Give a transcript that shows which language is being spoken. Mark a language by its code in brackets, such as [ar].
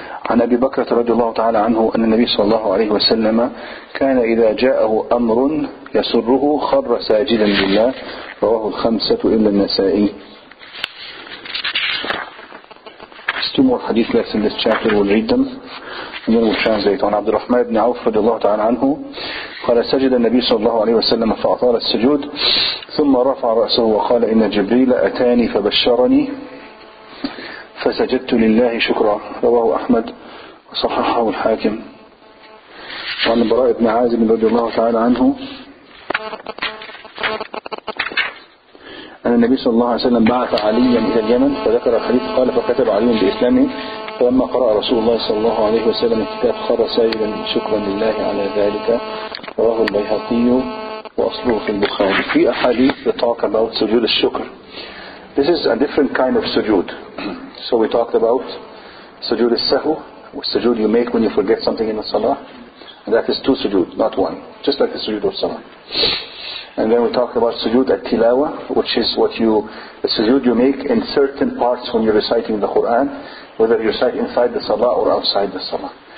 [ar] عن أبي بكر رضي الله تعالى عنه أن النبي صلى الله عليه وسلم كان إذا جاءه أمر يسره خر ساجدا لله رواه الخمسة إلا النسائي. [en] Two more hadith left in this chapter, we'll read them and then we'll translate. [ar] On Abdul Rahman ibn Auf رضي الله تعالى عنه قال سجد النبي صلى الله عليه وسلم فأطال السجود ثم رفع رأسه وقال إن جبريل أتاني فبشرني فسجدت لله شكرا رواه أحمد وصححه الحاكم. وعن براء بن عازب رضي الله تعالى عنه أن النبي صلى الله عليه وسلم بعث عليا إلى اليمن فذكر الحديث قال فكتب علي بإسلامه فلما قرأ رسول الله صلى الله عليه وسلم الكتاب خر ساجدا شكرا لله على ذلك رواه البيهقي وأصله في البخاري. في أحاديث [en] that talk about [ar] سجود الشكر. [en] This is a different kind of sujood. So we talked about sujood al-sahu, which sujood you make when you forget something in the salah. And that is two sujood, not one. Just like the sujood of salah. And then we talked about sujood al-tilawa, which is what you, the sujood you make in certain parts when you're reciting the Quran, whether you recite inside the salah or outside the salah.